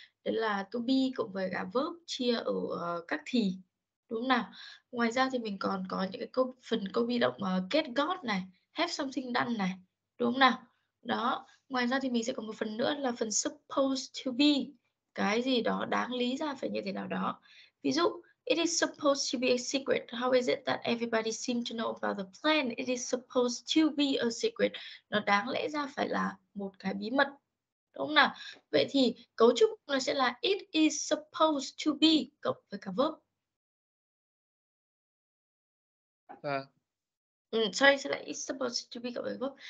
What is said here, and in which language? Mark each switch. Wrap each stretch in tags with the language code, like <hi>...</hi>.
<vi>Đấy là to be cộng với cả verb chia ở các thì đúng không nào? Ngoài ra thì mình còn có những cái câu phần câu bị động get got này, have something done này, đúng không nào? Đó, ngoài ra thì mình sẽ có một phần nữa là phần supposed to be, cái gì đó đáng lý ra phải như thế nào đó.</vi> <en>Ví dụ it is supposed to be a secret. How is it that everybody seems to know about the plan? It is supposed to be a secret.</en> <vi>Nó đáng lẽ ra phải là một cái bí mật. Đúng không nào? Vậy thì cấu trúc nó sẽ là it is supposed to be cộng với cả verb. Vâng.</vi> <en>Sorry, sẽ là it's supposed to be cộng với verb.</en>